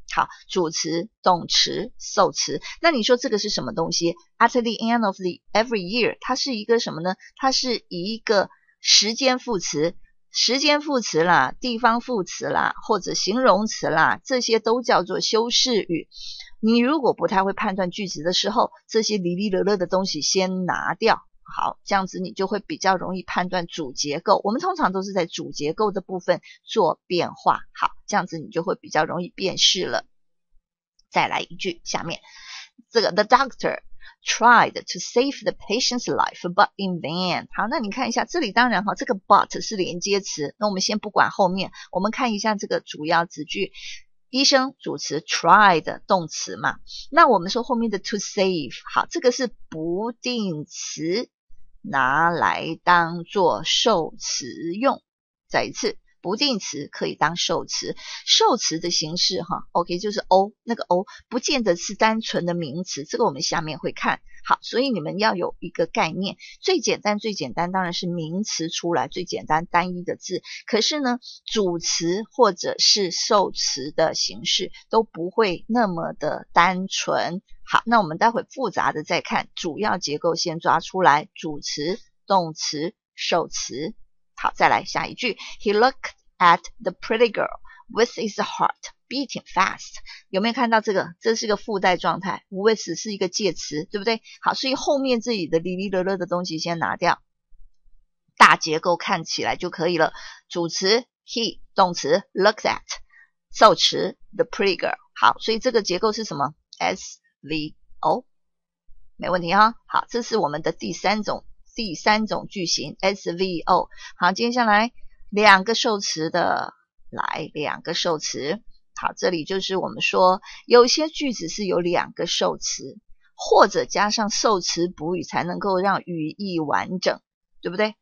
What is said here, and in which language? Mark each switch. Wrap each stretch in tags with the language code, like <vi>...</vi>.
<zh>好，主词、动词、受词。那你说这个是什么东西？</zh> <en>At the end of the every year，</en> <zh>它是一个什么呢？它是一个时间副词，时间副词啦，地方副词啦，或者形容词啦，这些都叫做修饰语。你如果不太会判断句子的时候，这些离离乐乐的东西先拿掉。好，这样子你就会比较容易判断主结构，我们通常都是在主结构的部分做变化。好，这样子你就会比较容易辨识了。再来一句，下面这个</zh> <en>The doctor tried to save the patient's life but in vain。</en> <zh>好，那你看一下这里，当然这个 but 是连接词，那我们先不管后面，我们看一下这个主要子句，医生主词 tried 动词嘛，那我们说后面的 to save， 好，这个是不定词，拿来当做受词用。再一次，不定词可以当受词，受词的形式哈 ，OK， 就是 O， 那个 O 不见得是单纯的名词，这个我们下面会看。好，所以你们要有一个概念，最简单最简单当然是名词出来，最简单单一的字，可是呢主词或者是受词的形式都不会那么的单纯。好，那我们待会复杂的再看，主要结构先抓出来，主词、动词、受词。好，再来下一句，</zh> <en>He looked at the pretty girl with his heart beating fast.</en> <zh>有没有看到这个？这是个附带状态 ，with 是一个介词，对不对？好，所以后面这里的哩哩乐乐的东西先拿掉，大结构看起来就可以了。主词 he， 动词 looks at， 受词</zh> <en>the pretty girl。</en> <zh>好，所以这个结构是什么 ？SVO， 没问题哈。好，这是我们的第三种句型 SVO。好，接下来两个受词的，来两个受词。好，这里就是我们说有些句子是有两个受词，或者加上受词补语才能够让语义完整，对不对？</zh>